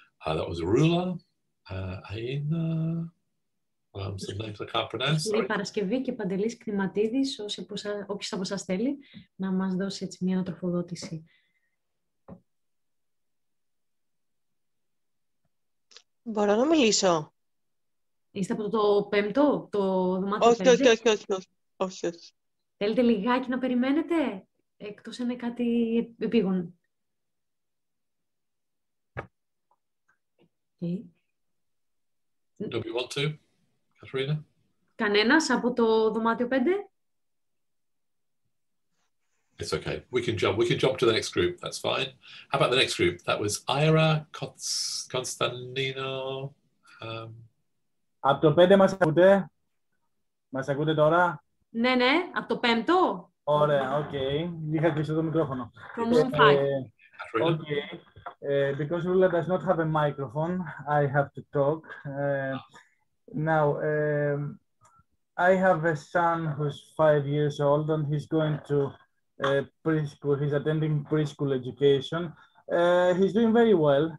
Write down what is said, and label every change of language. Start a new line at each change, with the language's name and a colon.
English: That was Rula, Aina, some names I can't pronounce.
Greek: Λέει Παρασκευή και Παντελής Κνηματίδης, όποιος από σας θέλει, να μας δώσει έτσι μια τροφοδότηση. Μπορώ να μιλήσω. Είστε από το πέμπτο, το δωμάτιο πέμπτο. Όχι. Θέλετε λιγάκι να περιμένετε, εκτός είναι κάτι επίγον.
English: Okay. Do we want to, Katharina?
Greek: Κανένας από το δωμάτιο 5?
English: It's okay. We can jump to the next group. That's fine. How about the next group? That was Ira, Constantino.
Greek: Από το 5 μας ακούτε? Μας ακούτε τώρα? Ναι, από το 5. Ωραία, okay. Είχα κλειστό το μικρόφωνο.
English: From room 5. Okay. Because Rula does not have a microphone, I have to talk. Now, I have a son who's 5 years old and he's going to preschool. He's attending preschool education. He's doing very well.